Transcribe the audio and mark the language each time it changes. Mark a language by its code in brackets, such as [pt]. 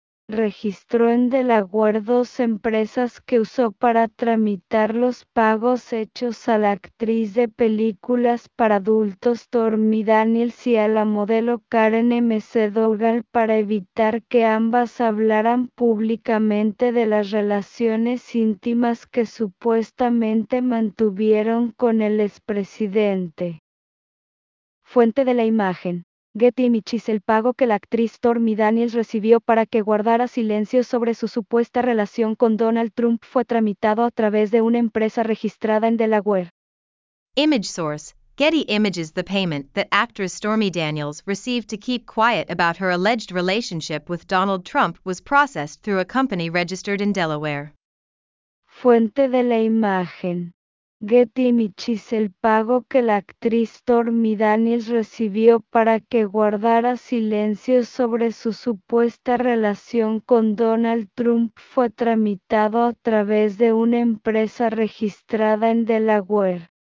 [es] registró en Delaware dos empresas que usó para tramitar los pagos hechos a la actriz de películas para adultos Stormy Daniels y a la modelo Karen McDougal para evitar que ambas hablaran públicamente de las relaciones íntimas que supuestamente mantuvieron con el expresidente. Fuente de la imagen. Getty Images. El pago que la actriz Stormy Daniels recibió para que guardara silencio sobre su supuesta relación con Donald Trump fue tramitado a través de una empresa registrada en Delaware. [en] Image source: Getty Images. The payment that actress Stormy Daniels received to keep quiet about her alleged relationship with Donald Trump was processed through a company registered in Delaware. [es] Fuente de la imagen. Getty Images. El pago que la actriz Stormy Daniels recibió para que guardara silencio sobre su supuesta relación con Donald Trump fue tramitado a través de una empresa registrada en Delaware.